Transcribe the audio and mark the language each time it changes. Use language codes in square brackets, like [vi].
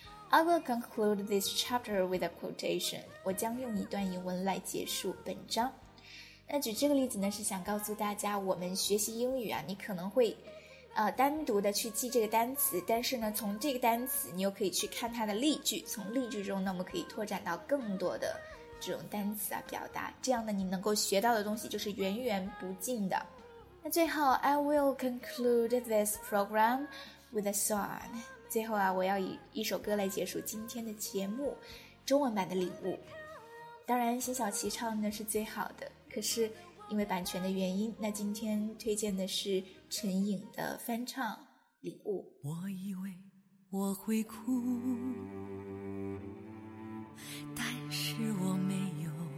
[en] I will conclude this chapter with a quotation. [zh] 我将用一段引文来结束本章。那举这个例子呢，是想告诉大家，我们学习英语啊，你可能会单独的去记这个单词，但是呢，从这个单词你又可以去看它的例句，从例句中呢，我们可以拓展到更多的这种单词啊表达，这样呢，你能够学到的东西就是源源不尽的。那最后 [en] ，I will conclude this program with a song. [zh] 最后啊，我要以一首歌来结束今天的节目，中文版的礼物。当然，辛晓琪唱的是最好的，可是因为版权的原因，那今天推荐的是陈颖的翻唱《礼物》。我以为我会哭，但是我没有。